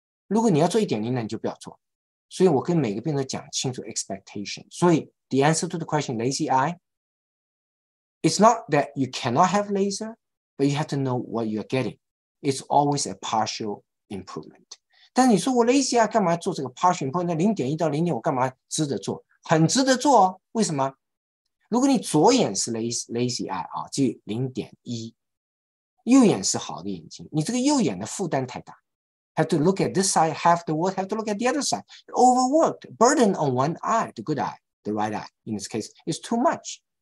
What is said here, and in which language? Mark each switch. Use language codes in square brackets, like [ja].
[zh] 如果你要做 1.0， 那你就不要做。所以我跟每个病人讲清楚 expectation。 [en] 所以 the answer to the question lazy eye, it's not that you cannot have laser, but you have to know what you're getting. It's always a partial improvement. [zh] 但你说我 lazy 啊，干嘛做这个 partial improvement？那 0.1 到 0.5 我干嘛值得做？很值得做哦。为什么？如果你左眼是 lazy eye 啊，就 0.1， 右眼是好的眼睛，你这个右眼的负担太大。 [en] Have to look at this side, half the world, have to look at the other side. Overworked, burden on one eye, the good eye, the right eye, in this case, is too much.